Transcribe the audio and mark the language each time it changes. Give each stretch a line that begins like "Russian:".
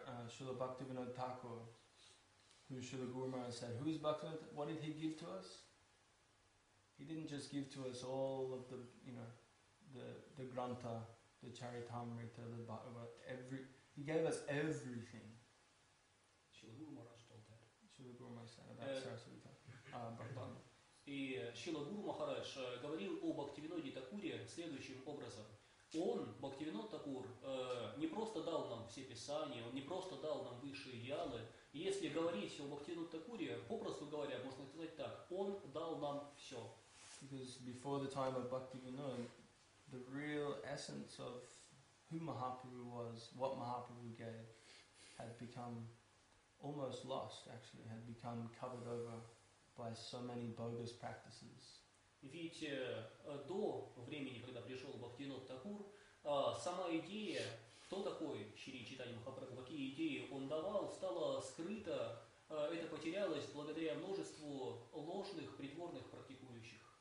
English: Шрила Бхактивинода Тхакура, who Шрила Гуру Махарадж said, who is Bhaktivinoda? What did he give to us? He didn't just give to us all of the Grantha, the Charitamrita, the Bhagavat, He gave us everything. Śrīla Guru Mahārāja told that. Śrīla Guru Mahārāja said about Sarasvati.
Russian: И Śrīla Guru Mahārāja говорил о Бхактивиноде Такуре следующим образом. Он, Бхактивинода Такур, не просто дал нам все писания, он не просто дал нам высшие идеалы. Если говорить о Бхактивиноде Такуре, попросту говоря, можно сказать так, он дал нам все.
English: Because before the time of Bhaktivinoda, the real essence of who Mahāprabhu was, what Mahāprabhu gave, had become almost lost, actually, had become covered over by so many bogus practices.
Russian: Ведь до времени, когда пришел Бхактивинода Такур, сама идея, кто такой Шри Чайтанья Махапрабху, какие идеи он давал, стала скрыта, это потерялось благодаря множеству ложных, притворных практикующих.